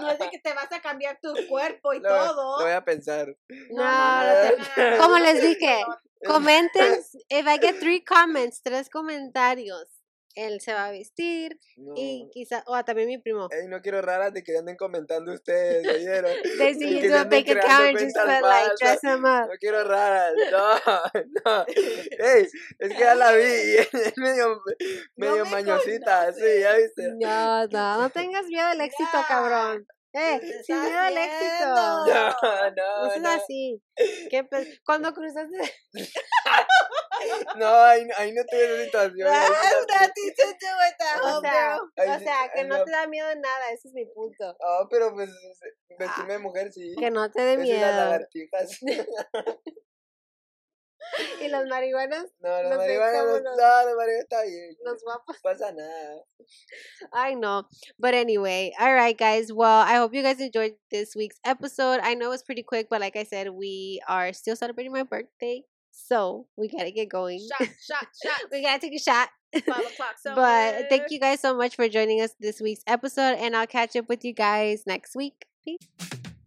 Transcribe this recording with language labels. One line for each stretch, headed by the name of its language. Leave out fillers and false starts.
Spanish: No es de que te vas a cambiar tu cuerpo y todo. Lo voy a pensar. No, no, no. Como les dije, comenten.
English: If I get 3 comments,
Spanish: 3 comentarios. Él se va a vestir y quizá, o también mi primo. Ey, no quiero raras de que anden comentando ustedes, ¿oyeron?
English: They see you do a big account just for like, dress them up.
Spanish: No quiero raras, no, no. Ey, es que ya la vi, es medio, medio no me mañosita, conoces. Sí, ya viste. No, no, no tengas miedo al éxito, yeah. Cabrón. Sin miedo al éxito. No, no, no. Es así. ¿Qué cuando cruzaste? No, ahí no tuve la situación.
English: That's nothing to do with that.
Spanish: O sea, que no te da miedo nada. Ese es mi punto. Oh, pero pues, vestirme de mujer, sí. Que no te dé miedo. Esas lagartijas. ¿Y las marihuanas? No, las marihuanas, no, la marihuana está bien. Los guapos. No pasa nada.
English: I know. But anyway, all right, guys. Well, I hope you guys enjoyed this week's episode. I know it was pretty quick, but like I said, we are still celebrating my birthday. So, we gotta get going. Shot, shot, shot. We gotta take a shot. 5 o'clock. So but good. Thank you guys so much for joining us this week's episode, and I'll catch up with you guys next week. Peace.